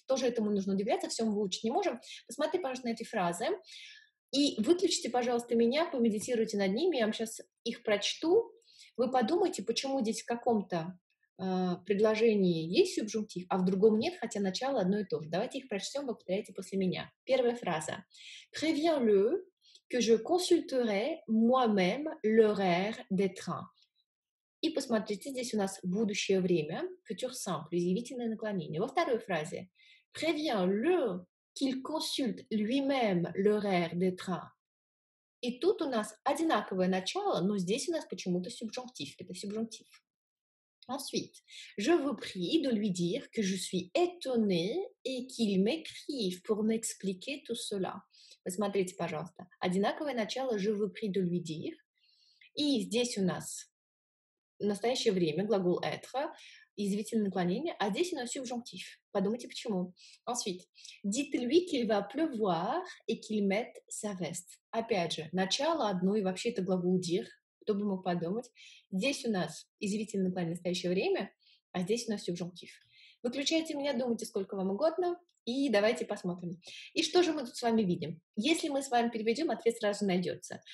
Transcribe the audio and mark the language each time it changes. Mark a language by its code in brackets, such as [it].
[ru] Тоже этому нужно удивляться, все мы выучить не можем. Посмотрите, пожалуйста, на эти фразы и выключите, пожалуйста, меня, помедитируйте над ними, я вам сейчас их прочту. Вы подумайте, почему здесь в каком-то предложении есть субжунктив, а в другом нет, хотя начало одно и то же. Давайте их прочтем, вы повторяйте после меня. Первая фраза. [fr] Préviens-le que je consulterai moi-même l'horaire des trains. [ru] И посмотрите, здесь у нас будущее время, futur simple, изъявительное наклонение. Во второй фразе. [fr] Préviens-le qu'il consulte lui-même l'horaire des trains. [ru] И тут у нас одинаковое начало, но здесь у нас почему-то субжунктив. Это субжунктив. [fr] Ensuite, je vous prie de lui dire que je suis étonnée et qu'il m'écrive pour m'expliquer tout cela. [ru] Посмотрите, пожалуйста. Одинаковое начало, [fr] je vous prie de lui dire. [ru] И здесь у нас в настоящее время глагол être, извительное наклонение, а здесь у нас субжонктив. Подумайте, почему. [fr] Ensuite, dites-lui qu'il va pleuvoir et qu'il mette sa veste. [ru] Опять же, начало одно и вообще это глагол dire. Кто бы мог подумать. Здесь у нас извительное наклонение настоящее время, а здесь у нас субжунктив. Выключайте меня, думайте сколько вам угодно, и давайте посмотрим. И что же мы тут с вами видим? Если мы с вами переведем, ответ сразу найдется.